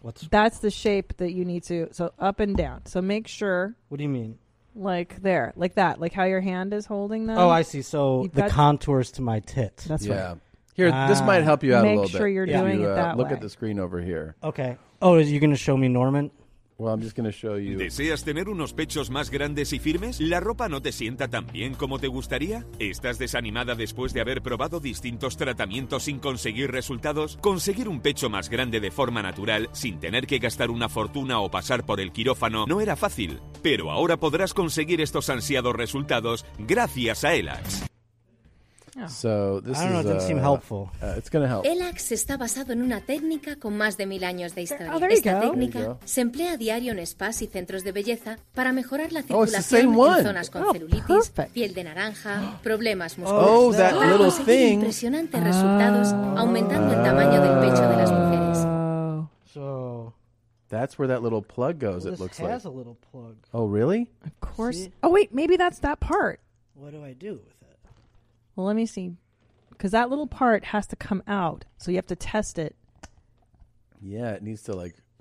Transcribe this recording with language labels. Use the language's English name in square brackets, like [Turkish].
[English] That's the shape that you need to. So up and down. So make sure. What do you mean? Like there, like that, like how your hand is holding them. Oh, I see. So the contours to my tit. That's yeah. right. Here, this might help you out a little bit. Make sure you're doing you, it that look way. Look at the screen over here. Okay. Oh, are you going to show me Norman? Well, I'm just going to show you. [Spanish] ¿Deseas tener unos pechos más grandes y firmes? ¿La ropa no te sienta tan bien como te gustaría? ¿Estás desanimada después de haber probado distintos tratamientos sin conseguir resultados? Conseguir un pecho más grande de forma natural, sin tener que gastar una fortuna o pasar por el quirófano, no era fácil. Pero ahora podrás conseguir estos ansiados resultados gracias a Elax. [English] So this I don't know, it didn't seem helpful. It's going to help. [Spanish] Elax está basado en una técnica con más de 1,000 años de historia. [English] There, oh, there [Spanish] esta [English] go. [Spanish] Técnica se emplea a diario en spas y centros de belleza para mejorar la circulación en zonas con celulitis, piel de naranja, problemas musculares. [English] Oh, that little thing. [Spanish] Impresionantes resultados aumentando el tamaño del pecho de las mujeres. [English] So that's where that little plug goes, well, it looks like. This has a little plug. Oh, really? Of course. See? Oh, wait, maybe that's that part. What do I do? Well, let me see, because that little part has to come out, so you have to test it. Yeah, it needs to, like...